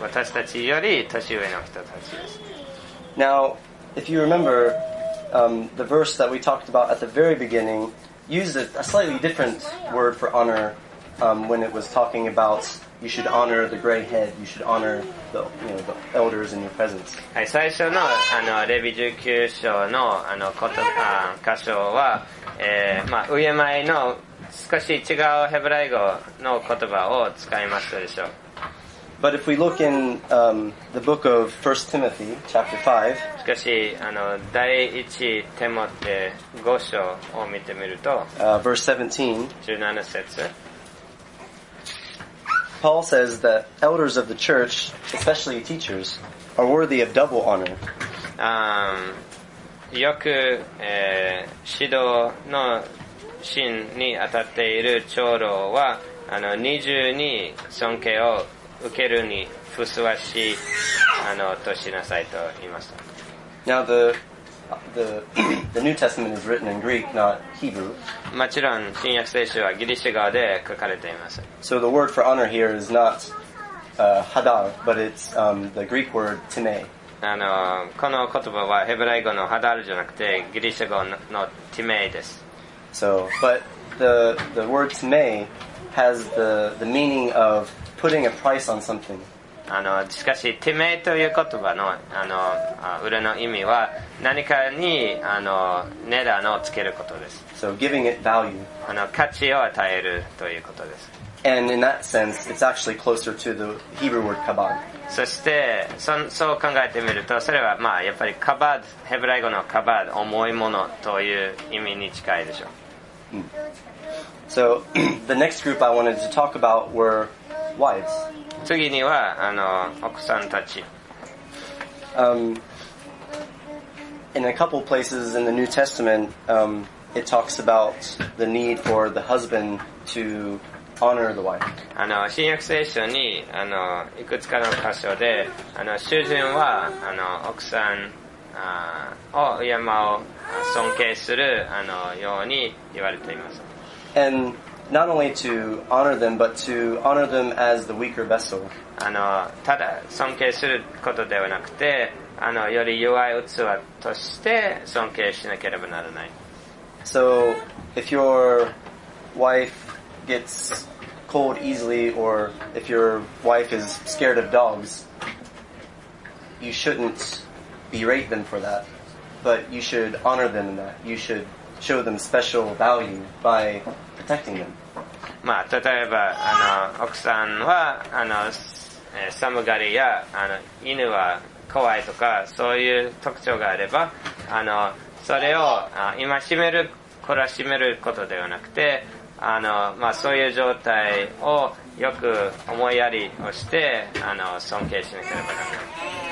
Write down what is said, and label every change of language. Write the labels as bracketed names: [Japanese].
[Japanese] 私たちより年上の人たちです。 [English] Now, if you remember, the verse that we talked about at the very beginning used a slightly different word for honor, when it was talking about you should honor the gray head, you should honor the elders in your presence. [Japanese] はい、最初のレビ19章の箇所は、まあ、敬いの少し違うヘブライ語の言葉を使いましたでしょう。 [English] But if we look in, the book of 1 Timothy, chapter 5, [Japanese] しかし、第一テモテ五章を見てみると、 [English] verse 17, [Japanese] 17節。 [English] Paul says that elders of the church, especially teachers, are worthy of double honor. [Japanese] よく、指導の芯に当たっている長老は、二重に尊敬を受けるにふさわしい、としなさいと言いました。 [English] Now the New Testament is written in Greek, not Hebrew. [Japanese] もちろん、新約聖書はギリシャ語で書かれています。 [English] So the word for honor here is not, hadar, but it's, the Greek word timē. [Japanese] この言葉はヘブライ語のハダルじゃなくてギリシャ語のティメイです。 [English] So, but the word ティメイ has the meaning of putting a price on something. [Japanese] しかしティメイという言葉の裏の意味は何かに値段をつけることです。 [English] So, giving it value. [Japanese] 価値を与えるということです。 [English] And in that sense, it's actually closer to the Hebrew word kabad. [Japanese] そして、そう考えてみると、それはまあやっぱりカバード、ヘブライ語のカバード、重いものという意味に近いでしょう。 [English] So, the next group I wanted to talk about were wives. [Japanese] 次には、奥さんたち。 [English] In a couple places in the New Testament, it talks about the need for the husband to... Honor the wife. [Japanese] 新約聖書にいくつかの箇所で主人は奥さんを敬う尊敬するように言われています。 [English] And not only to honor them, but to honor them as the weaker vessel. [Japanese] ただ尊敬することではなくてより弱い器として尊敬しなければならない。 [English] So if your wife gets cold easily, or if your wife is scared of dogs, you shouldn't berate them for that, but you should honor them in that. You should show them special value by protecting them. [Japanese] まあ、例えば、奥さんは、寒がりや、犬は怖いとか、そういう特徴があれば、それを、戒める、懲らしめることではなくて、まあ、そういう状態をよく思いやりをして尊敬しなければならない。